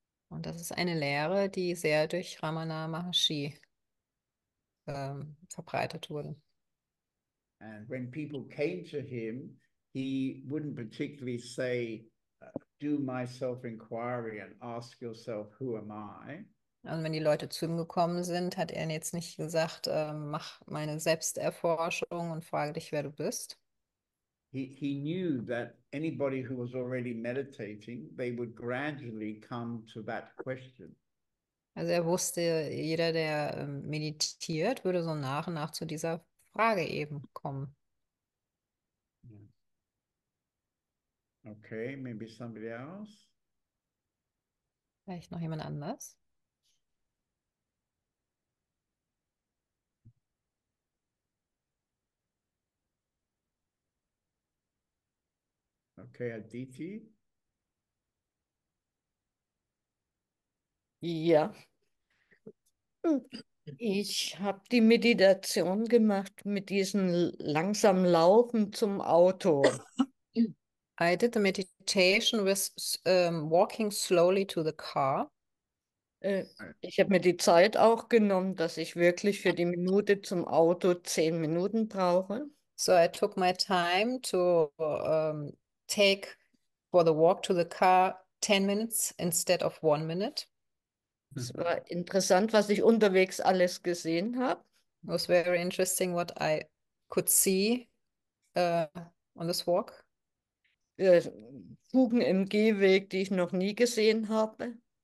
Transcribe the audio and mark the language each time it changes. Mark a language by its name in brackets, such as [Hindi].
[German] Und das ist eine Lehre, die sehr durch Ramana Maharshi verbreitet wurde. [English] And when people came to him, he wouldn't particularly say, do my self-inquiry and ask yourself, who am I? [German] Und wenn die Leute zu ihm gekommen sind, hat er jetzt nicht gesagt, mach meine Selbsterforschung und frage dich, wer du bist. [English] He knew that anybody who was already meditating, they would gradually come to that question. [German] Also er wusste, jeder, der meditiert, würde so nach und nach zu dieser Frage eben kommen. [English] Okay, maybe somebody else. [German] Vielleicht noch jemand anders? [English] Okay, Aditi. [German] Ja. Ich habe die Meditation gemacht mit diesem langsamen Laufen zum Auto. [English] I did the meditation with walking slowly to the car. [German] Ich habe mir die Zeit auch genommen, dass ich wirklich für die Minute zum Auto 10 Minuten brauche. [English] So I took my time to take for the walk to the car 10 minutes instead of 1 minute. [German] Es war interessant, was ich unterwegs alles gesehen habe. [English] It was very interesting what I could see on this walk. [German] Fugen im Gehweg, die ich noch nie gesehen habe.